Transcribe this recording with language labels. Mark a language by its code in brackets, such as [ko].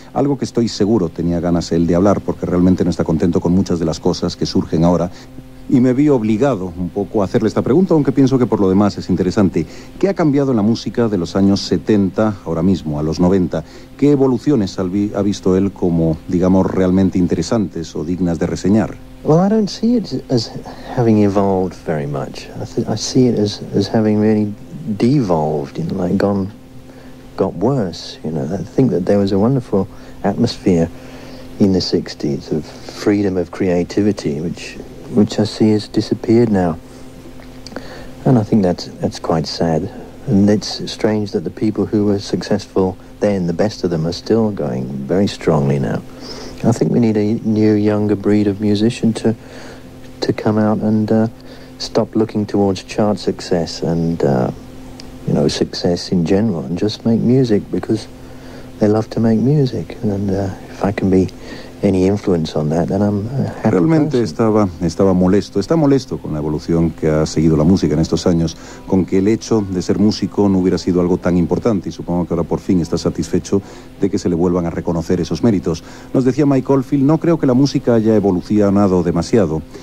[es] Algo que estoy seguro tenía ganas él de hablar, porque realmente no está contento con muchas de las cosas que surgen ahora. Y me vi obligado un poco a hacerle esta pregunta, aunque pienso que por lo demás es interesante. ¿Qué ha cambiado en la música de los años 70, ahora mismo, a los 90? ¿Qué evoluciones ha visto él como, digamos, realmente interesantes o dignas de reseñar? [en] Well, I don't see it as having evolved very much. I see it as having really devolved, you know, like got worse, you know. I think that there was a wonderful atmosphere in the 60s of freedom of creativity, which I see has disappeared now. And I think that's quite sad. And it's strange that the people who were successful then, the best of them, are still going very strongly now. I think we need a new, younger breed of musician to come out and stop looking towards chart success and, you know, success in general, and just make music because they love to make music. And if I can be any influence on that, then I'm happy. [es] Realmente está molesto con la evolución que ha seguido la música en estos años, con que el hecho de ser músico no hubiera sido algo tan importante, y supongo que ahora por fin está satisfecho de que se le vuelvan a reconocer esos méritos. Nos decía Mike Oldfield, no creo que la música haya evolucionado demasiado.